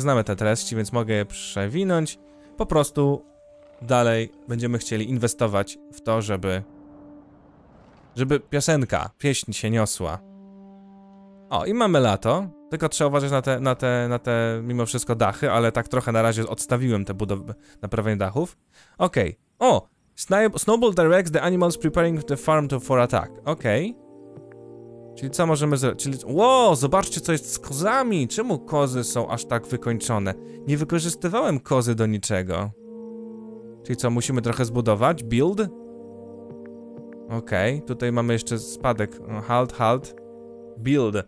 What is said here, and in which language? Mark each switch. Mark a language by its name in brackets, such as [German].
[Polish] Znamy te treści, więc mogę je przewinąć. Po prostu dalej będziemy chcieli inwestować w to, żeby piosenka, pieśń się niosła. O, i mamy lato, tylko trzeba uważać na te mimo wszystko dachy, ale tak trochę na razie odstawiłem te naprawienie dachów. Okej. Okay. O! [English] Snowball directs the animals preparing the farm for attack. [Polish] Okej. Okay. Czyli co możemy zrobić? Czyli... Wow, zobaczcie, co jest z kozami! Czemu kozy są aż tak wykończone? Nie wykorzystywałem kozy do niczego. Czyli co, musimy trochę zbudować? Build? Okej. Okay. Tutaj mamy jeszcze spadek. [English] Halt. Build.